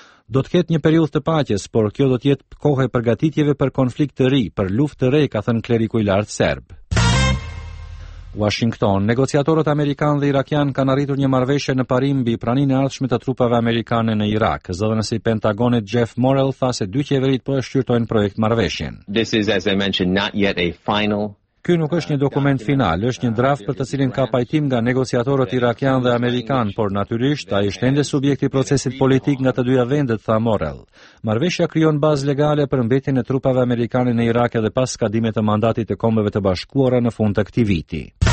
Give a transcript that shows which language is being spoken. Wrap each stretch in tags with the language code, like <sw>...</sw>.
<sq>Do të ketë një periudhë të paqes, por kjo do të jetë kohë e përgatitjeve për konflikt të ri, për luftë të re, ka thënë kleriku i lartë serb. Washington. Negociatorët amerikan dhe irakian kanë arritur një marrëveshje në parim mbi praninë e ardhshme të trupave amerikane në Irak. Zëdhënës i Pentagonit Jeff Morrell tha se dy qeverit po e shqyrtojnë projekt marrëveshjen.</sq> <en>This is, as I mentioned, not yet a final.</en> <sq>Ky nuk është një dokument final, është një draft për të cilin ka pajtim nga negociatorët irakian dhe amerikan, por natyrisht ai është ende subjekt i procesit politik nga të dyja vendet, tha Morrell. Marrëveshja krijon bazë legale për mbetjen e trupave amerikane në Irak edhe pas skadimit të mandatit të Kombeve të Bashkuara në fund të këtij viti.</sq>